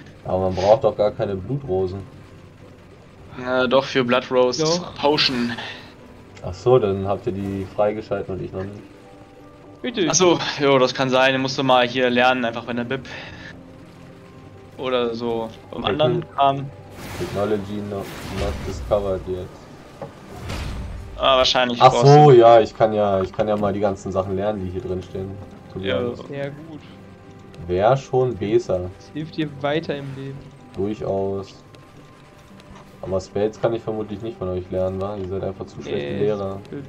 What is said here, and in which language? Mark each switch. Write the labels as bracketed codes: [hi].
[de] Aber man braucht doch gar keine Blutrosen. Na doch, für Blood Rose Potion. Ach so, dann habt ihr die freigeschalten und ich noch nicht. Bitte. Ach so, jo, das kann sein, musst du mal hier lernen, einfach bei der Bib. Oder so, vom anderen Kram. [en] Technology not discovered yet. [de] Ah, wahrscheinlich. Ach so, ja, ich kann ja mal die ganzen Sachen lernen, die hier drin stehen. Ja, gut. Wäre schon besser. Das hilft dir weiter im Leben. Durchaus. Aber Spells kann ich vermutlich nicht von euch lernen, wa? Ihr seid einfach zu schlechte Lehrer.